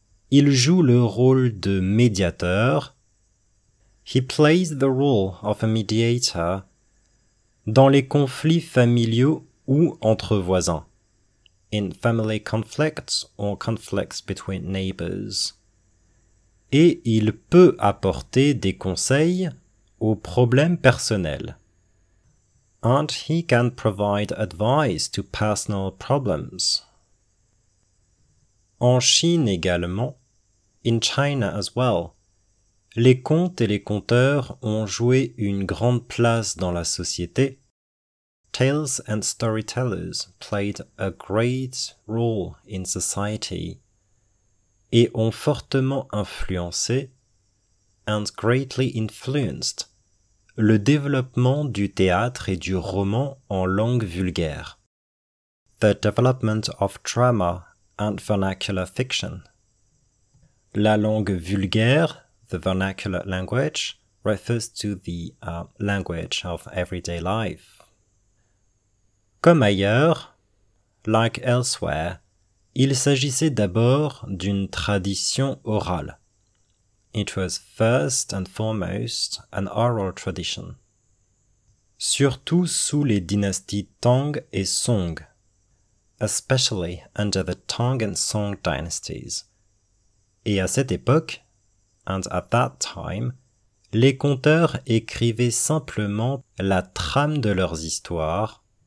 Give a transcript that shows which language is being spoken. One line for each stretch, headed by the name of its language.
French: Il joue le rôle de médiateur.
English: He plays the role of a mediator
French: dans les conflits familiaux ou entre voisins.
English: In family conflicts or conflicts between neighbors.
French: Et il peut apporter des conseils aux problèmes personnels.
English: And he can provide advice to personal problems.
French: En Chine également,
English: in China as well,
French: les contes et les conteurs ont joué une grande place dans la société.
English: Tales and storytellers played a great role in society
French: et ont fortement influencé
English: and greatly influenced
French: le développement du théâtre et du roman en langue vulgaire.
English: The development of drama and vernacular fiction.
French: La langue vulgaire,
English: the vernacular language, refers to the language of everyday life.
French: Comme ailleurs,
English: like elsewhere,
French: il s'agissait d'abord d'une tradition orale.
English: It was first and foremost an oral tradition.
French: Surtout sous les dynasties Tang et Song.
English: Especially under the Tang and Song dynasties.
French: Et à cette époque,
English: and at that time,
French: les conteurs écrivaient simplement la trame de leurs histoires.